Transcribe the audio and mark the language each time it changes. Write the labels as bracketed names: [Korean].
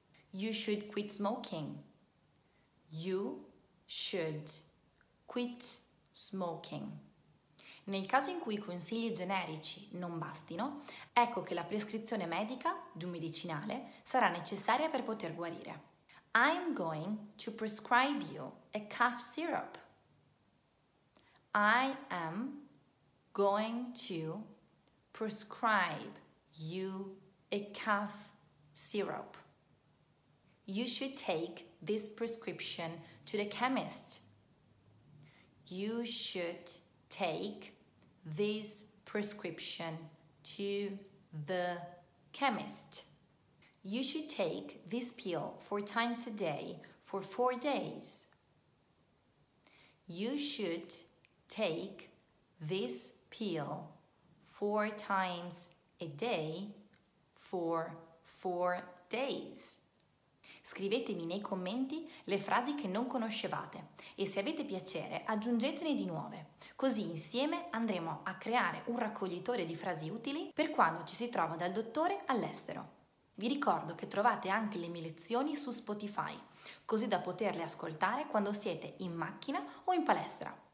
[English] You should quit smoking. You should quit smoking. [Italian] Nel caso in cui i consigli generici non bastino, ecco che la prescrizione medica di un medicinale sarà necessaria per poter guarire. [English] I'm going to prescribe you a cough syrup. I am going to prescribe you a cough syrup. You should take this prescription to the chemist. You should take this prescription to the chemist. You should take this pill 4 times a day for 4 days. You should take this pill 4 times a day for 4 days. [Italian] Scrivetemi nei commenti le frasi che non conoscevate e se avete piacere aggiungetene di nuove. Così insieme andremo a creare un raccoglitore di frasi utili per quando ci si trova dal dottore all'estero. Vi ricordo che trovate anche le mie lezioni su Spotify, così da poterle ascoltare quando siete in macchina o in palestra.